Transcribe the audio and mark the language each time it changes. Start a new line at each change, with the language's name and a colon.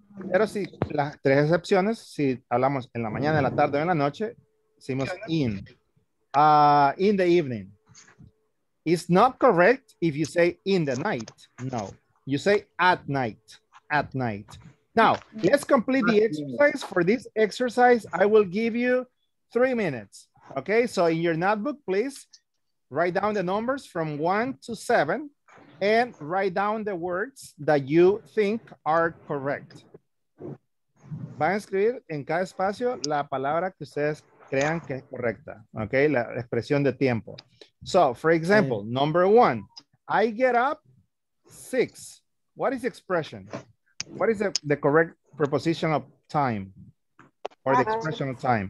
Spanish: Pero si las tres excepciones, si hablamos en la mañana, en la tarde o en la noche, decimos in.
English: In the evening. It's not correct if you say in the night. No. You say at night. At night. Now, let's complete the exercise. For this exercise, I will give you 3 minutes. Okay, so in your notebook, please write down the numbers from 1 to 7 and write down the words that you think are correct.
Spanish: Va a escribir en cada espacio la palabra que ustedes crean que es correcta.
English: Okay,
Spanish: la expresión de tiempo.
English: So, for example, number one, I get up 6. What is the expression? What is the correct preposition of time? Or the expression of time?